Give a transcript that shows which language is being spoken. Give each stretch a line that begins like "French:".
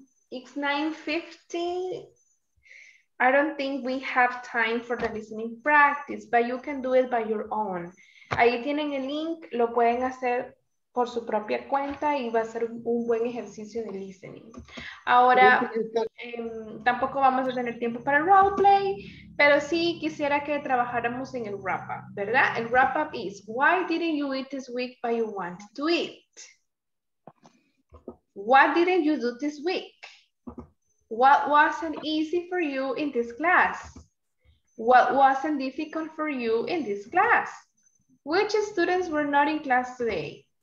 English: It's 9:50. I don't think we have time for the listening practice, but you can do it by your own.
Spanish: Ahí tienen el link, lo pueden hacer por su propia cuenta y va a ser un buen ejercicio de listening. Ahora, tampoco vamos a tener tiempo para el role play, pero sí quisiera que trabajáramos en el wrap up, ¿verdad?
English: El wrap up is, why didn't you eat this week but you want to eat? What didn't you do this week? What wasn't easy for you in this class? What wasn't difficult for you in this class? Which students were not in class today?